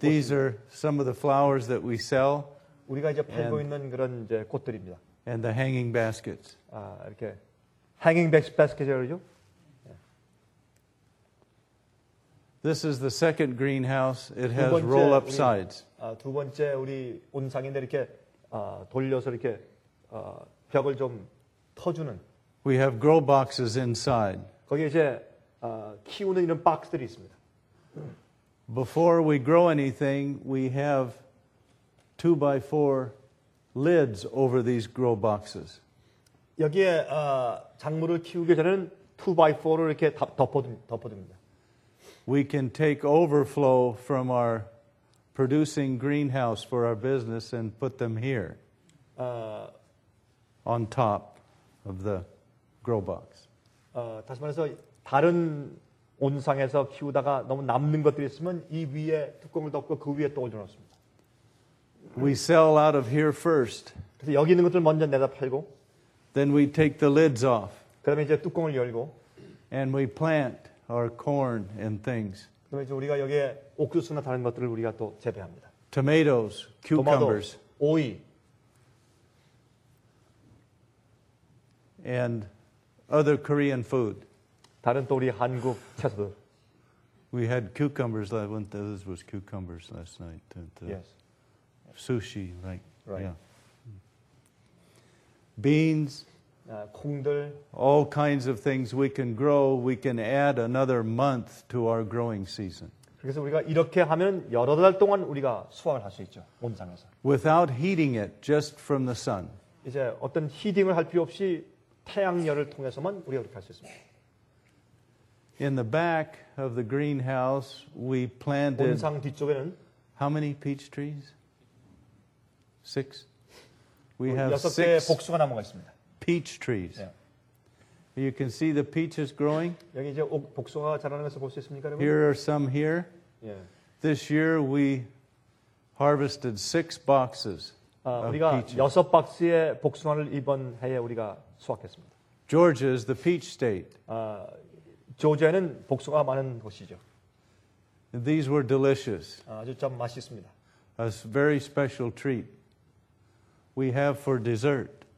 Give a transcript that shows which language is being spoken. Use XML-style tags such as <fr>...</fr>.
<en>These are some of the flowers that we sell.</en> <ko>우리가 이제 팔고 있는 그런 이제 꽃들입니다.</ko> <en>And the hanging baskets.</en> <ko>아 이렇게</ko> <en>hanging baskets</en> <ko>이죠?</ko> <en>This is the second greenhouse. It has roll-up sides.</en> <ko>두 번째 우리 온상인데 이렇게 돌려서 이렇게 벽을 좀 터주는.</ko> <en>We have grow boxes inside.</en> <ko>거기 이제 키우는 이런 박스들이 있습니다.</ko> <en>Before we grow anything, we have 2x4 lids over these grow boxes.</en> <ko>여기에 작물을 키우기 전에는 2x4로 이렇게 덮어둡니다.</ko> <en>We can take overflow from our producing greenhouse for our business and put them here on top of the grow box.</en> <ko>다시 말해서 다른 온상에서 키우다가 너무 남는 것들이 있으면 이 위에 뚜껑을 덮고 그 위에 또 올려놓습니다.</ko> <en>We sell out of here first.</en> <ko>그래서 여기 있는 것들 먼저 내다 팔고</ko> <en>Then we take the lids off.</en> <ko>그다음에 이제 뚜껑을 열고</ko> <en>And we plant. Our corn and things.</en> <ko>그럼 이제 우리가 여기에 옥수수나 다른 것들을 우리가 또 재배합니다.</ko> <en>Tomatoes, cucumbers,</en> <ko>도마도, 오이,</ko> <en>and other Korean food.</en> <ko>다른 또 우리 한국 채소들.</ko> <en>We had cucumbers. I went. This was cucumbers last night. Yes. Sushi, right? Right. Yeah. Beans.</en> <ko>콩들,</ko> <en>all kinds of things we can grow. We can add another month to our growing season.</en> <ko>그래서 우리가 이렇게 하면 여러 달 동안 우리가 수확을 할 수 있죠 온상에서.</ko> <en>Without heating it, just from the sun.</en> <ko>이제 어떤 히팅을 할 필요 없이 태양열을 통해서만 우리가 그렇게 할 수 있습니다.</ko> <en>In the back of the greenhouse, we planted.</en> <ko>온상 뒤쪽에는</ko> <en>how many peach trees? Six. We have</en> <ko>여섯 개의 복숭아 나무가 있습니다.</ko> <en>Peach trees. Yeah. You can see the peaches growing.</en> <ko>여기 이제 복숭아 자라는 것을 볼 수 있습니까?</ko> <en>Here are some here. Yeah. This year we harvested 6 boxes.</en> <ko>우리가 여섯 박스의 복숭아를 이번 해에 우리가 수확했습니다.</ko> <en>Georgia is the peach state.</en> <ko>조지아는 복숭아 많은 곳이죠.</ko> <en>And these were delicious.</en> <ko>아주 참 맛있습니다.</ko> <en>A very special treat we have for dessert.</en>